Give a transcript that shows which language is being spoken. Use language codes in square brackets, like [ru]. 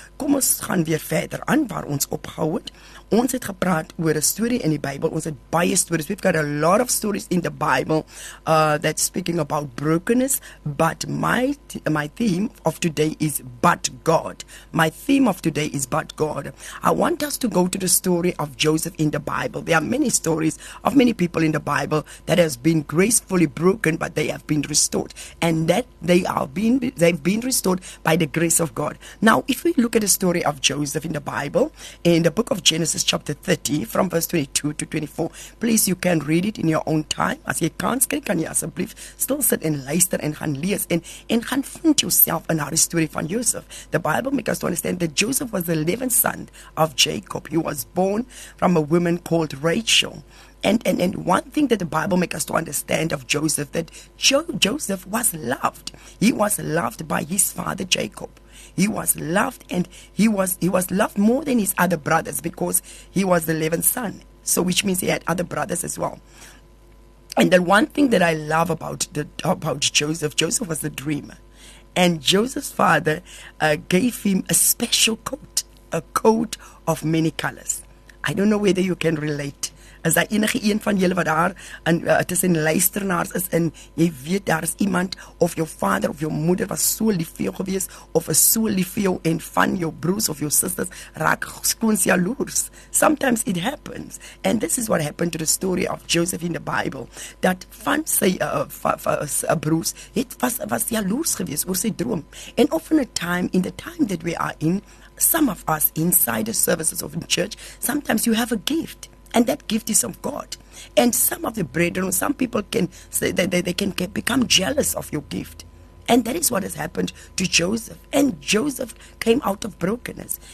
[af] Kom ons gaan weer verder aan waar ons opgehou het. Ons het gepraat oor 'n storie in die Bybel. Ons het baie stories. [en] We've got a lot of stories in the Bible that's speaking about brokenness. But my theme of today is but God. My theme of today is but God. I want us to go to the story of Joseph in the Bible. There are many stories of many people in the Bible that has been gracefully broken, but they have been restored. And that they've been restored by the grace of God. Now, if we look at the story of Joseph in the Bible, in the book of Genesis, chapter 30 from verse 22 to 24. Please, you can read it in your own time. [af] As jy kan skryf, kan jy asseblief stil sit en luister en gaan lees en gaan vind jouself in haar storie van Joseph. [en] The Bible makes us to understand that Joseph was the 11th son of Jacob. He was born from a woman called Rachel. And one thing that the Bible makes us to understand of Joseph, that Joseph was loved. He was loved by his father Jacob. He was loved, and he was loved more than his other brothers, because he was the 11th son. So which means he had other brothers as well. And the one thing that I love about Joseph was a dreamer. And Joseph's father gave him a special coat of many colors. I don't know whether you can relate. [af] As I enige een van julle wat daar in tussen luisternaars is en jy weet daar is iemand of jou vader of jou moeder was so lief vir jou gewees of is so lief vir jou en van jou broers of jou sisters raak skoons jaloers. [en] Sometimes it happens. And this is what happened to the story of Joseph in the Bible. [af] Dat van sy broers het was jaloers gewees oor sy droom. [en] And often a time, in the time that we are in, some of us inside the services of the church, sometimes you have a gift. And that gift is of God. And some of the brethren, some people can say that they can become jealous of your gift. And that is what has happened to Joseph. And Joseph came out of brokenness.